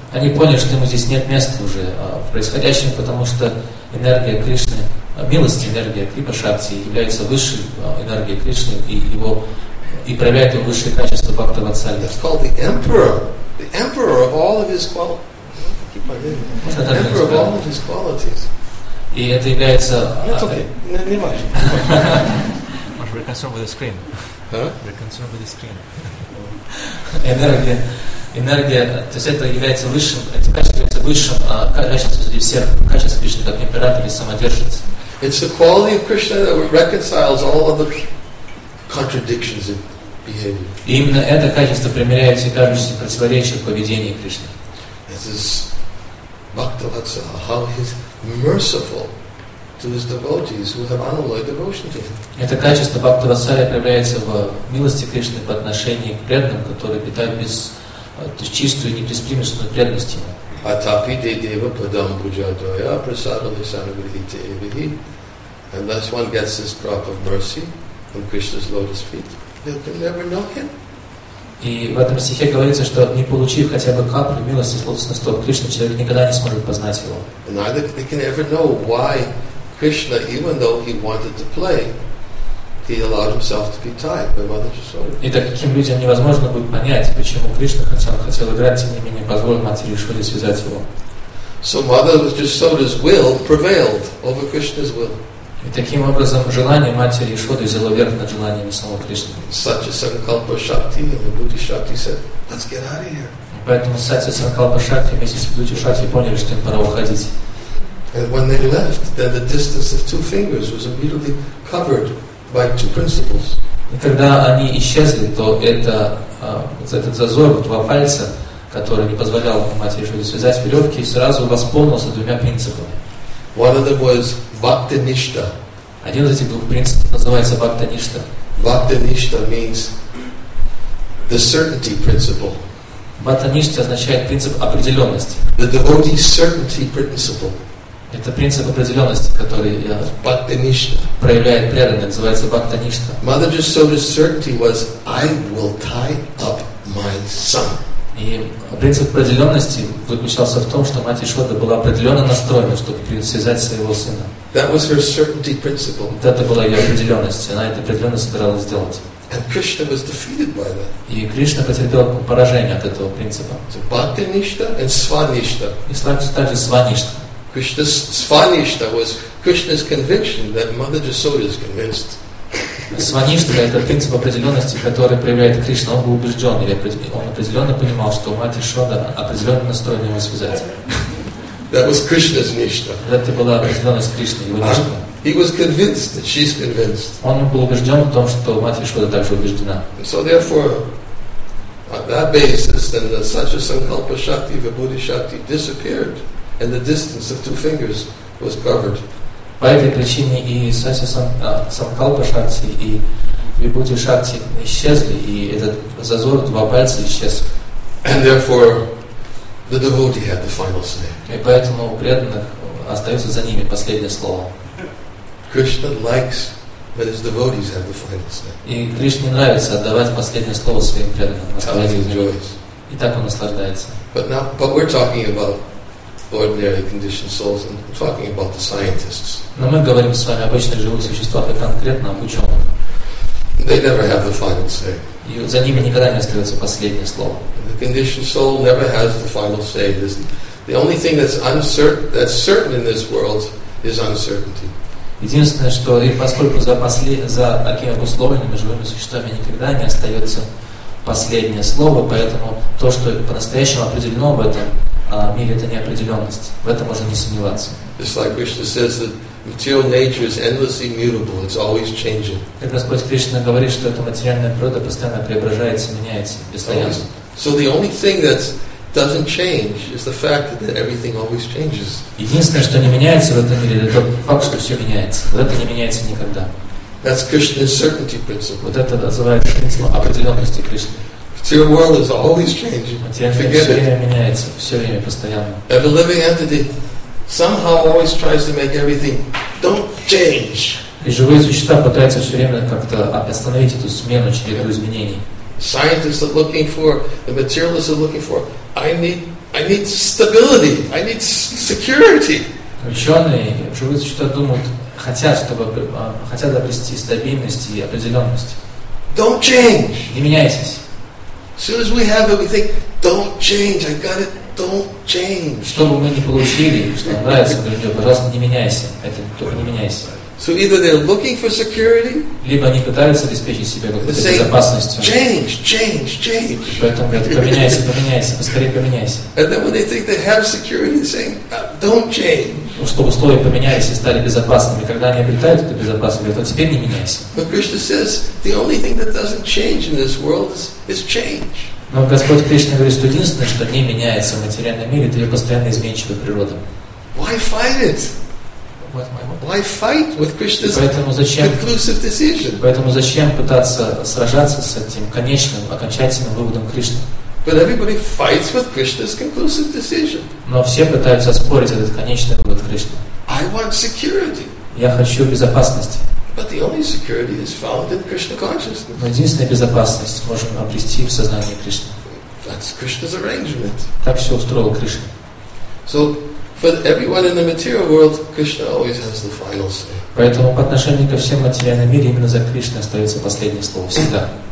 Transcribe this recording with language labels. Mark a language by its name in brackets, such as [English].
[Russian] Они поняли, что ему здесь нет места уже в происходящем, потому что энергия Кришны милость, энергия Крипа Шакти является высшей энергией Кришны и его и проявляет его высшие качества Бхакта Ватсали. [English] That's called the emperor. The emperor of all of his qualities. The emperor of all of his qualities. [Russian] И это является... [English] It's okay. [Russian] Не важно. Может, [English] we're concerned with the screen. Huh? We're concerned with the screen. [Russian] Энергия. Энергия, то есть это является высшим, это качество является высшим качеством среди всех качеств Кришны, как император и самодержец. [English] It's the quality of Krishna that reconciles all other contradictions in behavior. [Russian] И именно это качество примиряет все кажущиеся противоречия в поведении Кришны. [English] This is Bhakta Vatsala, how he is merciful to his devotees who have unalloyed devotion to him. [Russian] Это качество Бхакта Ватсаля проявляется в милости Кришны по отношению к преданным, которые питают без то есть чистую и неприспримесную преданность ему. [Sanskrit] Атапи де дева падам буджадвая прасадали санавидите эвихи. [English] Unless one gets this drop of mercy from Krishna's lotus feet, they can never know him. [Russian] И в этом стихе говорится, что не получив хотя бы каплю милости с лотосных стоп Кришны, человек никогда не сможет познать его. [English] And neither they can ever know why Krishna, even though he wanted to play, he allowed himself to be tied by Mother Yashoda. [Russian] И так таким людям невозможно будет понять, почему Кришна, хотя он хотел играть, тем не менее позволил Матери Яшоде связать его. [English] So Mother Yashoda's will prevailed over Krishna's will. [Russian] И таким образом желание Матери Яшоды взяло верх над желаниями самого Кришны. [English] Such a sankalpa shakti, the Buddha Shakti said, "Let's get out of here." [Russian] Поэтому сатья санкалпа шакти вместе с Буддхи Шакти поняли, что им пора уходить. [English] And when they left, then the distance of two fingers was immediately covered by two principles. [Russian] И когда они исчезли, то это этот зазор в два пальца, который не позволял Матери Яшоде связать веревки, сразу восполнился двумя принципами. [English] One of them was Bhakti Nishta. [Russian] Один из этих двух принципов называется Bhakti Nishta. [English] Bhakti Nishta means the certainty principle. [Russian] Bhakti Nishta означает принцип определенности. [English] The devotee certainty principle. [Russian] Это принцип определенности, который проявляет преданный, называется Bhakta Nishta. [English] Mother Yashoda's certainty was, I will tie up my son. [Russian] И принцип определенности заключался в том, что мать Яшода была определенно настроена, чтобы связать своего сына. [English] That was her certainty principle. [Russian] Вот это была ее определенность, она это определенно собиралась сделать. [English] And Krishna was defeated by that. [Russian] И Кришна потерпел поражение от этого принципа. [English] So Bhakta Nishta and Svanishta. [Russian] И также Svanishta. [English] Krishna's Svanishta was Krishna's conviction that Mother Yashoda is convinced. [Russian] Svanishta – это принцип определенности, который проявляет Кришна. Он был убежден, или он определенно понимал, что Мать Яшода определенно настроена его связать. [English] That was Krishna's Nishta. [Russian] Это была определенность Кришны, его Ништа. [English] He was convinced that she's convinced. [Russian] Он был убежден в том, что Мать Яшода также убеждена. [English] So therefore, on that basis, then the Satya Sankalpa Shakti, Vibhuti Shakti disappeared. And the distance of two fingers was covered. [Russian] По этой причине и санкалпа шакти и вибхути шакти исчезли, и этот зазор два пальца исчез. [English] And therefore, the devotee had the final say. [Russian] И поэтому у преданных остается за ними последнее слово. [English] Krishna likes when his devotees have the final say. [Russian] И Кришне нравится отдавать последнее слово своим преданным. И так он наслаждается. [English] But we're talking about ordinary conditioned souls, and we're talking about the scientists. [Russian] Но мы говорим с вами об обычных живых существах и конкретно об ученых. [English] They never have the final say. [Russian] И за ними никогда не остается последнее слово. [English] The conditioned soul never has the final say. The only thing that's certain in this world is uncertainty. [Russian] Единственное, что и поскольку за такими условиями живыми существами никогда не остается последнее слово, поэтому то, что по-настоящему определено в этом мир — это неопределенность. В этом можно не сомневаться. [English] It's like Krishna says that material nature is endlessly mutable. It's always changing. [Russian] Как Господь Кришна говорит, что эта материальная природа постоянно преображается, меняется, постоянно. [English] So the only thing that doesn't change is the fact that everything always changes. [Russian] Единственное, что не меняется в этом мире, это тот факт, что все меняется. Вот это не меняется никогда. [English] That's Krishna's certainty principle. [Russian] Вот это называется принцип определенности Кришны. [English] So your world is always changing. Forget [Russian] все время меняется, все время постоянно. [English] Every living entity somehow always tries to make everything don't change. [Russian] И живые существа пытаются все время как-то остановить эту смену, череду изменений. [English] Scientists are looking for, the materialists are looking for. I need stability. I need security. [Russian] Ученые, живые существа думают, хотят обрести стабильность и определенность. [English] Don't change. [Russian] Не меняйтесь. [English] As soon as we have it, we think, don't change. I got it. Don't change. [Russian] Что бы мы ни получили, что нравится, говорю, пожалуйста, не меняйся. Это только не меняйся. [English] So either they're looking for security. [Russian] Либо они пытаются обеспечить себя какой-то безопасностью. [English] Change, change, change. [Russian] Поэтому говорят, поменяйся, поменяйся, поскорее поменяйся. [English] And then when they think they have security, they're saying, don't change. [Russian] Ну, чтобы условия поменялись и стали безопасными. Когда они обретают эту безопасность, говорят, а теперь не меняйся. [English] But Krishna says, the only thing that doesn't change in this world is change. [Russian] Но Господь Кришна говорит, что единственное, что не меняется в материальном мире, это ее постоянно изменчивая природа. [English] Why fight it? Why fight with Krishna's conclusive decision? [Russian] Поэтому зачем пытаться сражаться с этим конечным, окончательным выводом Кришны? [English] But everybody fights with Krishna's conclusive decision. [Russian] Но все пытаются спорить этот конечный вывод Кришны. [English] I want security. [Russian] Я хочу безопасности. [English] But the only security is found in Krishna consciousness. [Russian] Но единственная безопасность можем обрести в сознании Кришны. [English] That's Krishna's arrangement. [Russian] Так все устроил Кришна. [English] So, for everyone in the material world, Krishna always has the final say. [Russian] Поэтому по отношению ко всем материальным мире именно за Кришной остается последнее слово всегда.